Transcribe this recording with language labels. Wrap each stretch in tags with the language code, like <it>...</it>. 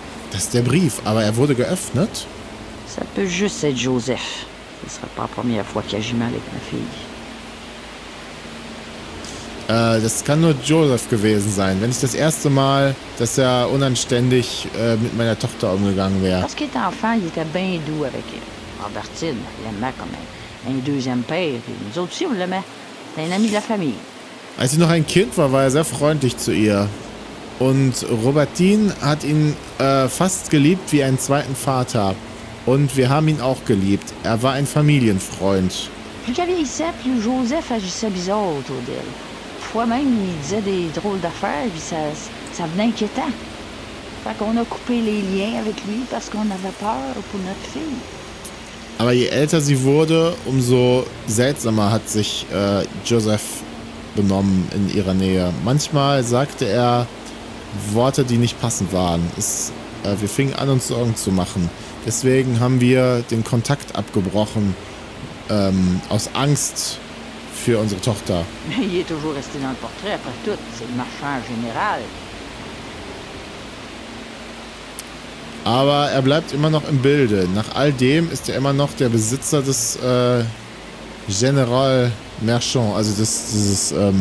<de>Das ist der Brief, aber er wurde geöffnet.</de> <fr>Ça peut juste être Joseph. Ce sera pas la première fois qu'il agit mal avec ma fille.</fr> <de>Das kann nur Joseph gewesen sein. Wenn ich das erste Mal, dass er unanständig mit meiner Tochter umgegangen wäre.</de> <fr>Parce qu'il était enfant, il était bien doux avec elle. Albertine, il aimait comme un deuxième père. Nous autres aussi, on l'aimait. C'est un ami de la famille.</fr> <de>Als sie noch ein Kind war, war er sehr freundlich zu ihr. Und Robertine hat ihn fast geliebt wie einen zweiten Vater. Und wir haben ihn auch geliebt. Er war ein Familienfreund.</de> <fr>Plus qu'il vieillissait, plus Joseph agissait bizarre autour d'elle. Fois même, il disait des drôles d'affaires, puis ça venait inquiétant. Fait qu'on a coupé les liens avec lui, parce qu'on avait peur pour notre fille.</fr> <de>Aber je älter sie wurde, umso seltsamer hat sich Joseph benommen in ihrer Nähe. Manchmal sagte er Worte, die nicht passend waren. Wir fingen an, uns Sorgen zu machen. Deswegen haben wir den Kontakt abgebrochen, aus Angst für unsere Tochter.</de> <fr>Il est toujours resté dans le portrait, après tout, c'est le marchand général.</fr> <de>Aber er bleibt immer noch im Bilde. Nach all dem ist er immer noch der Besitzer des General Marchand, also dieses</de>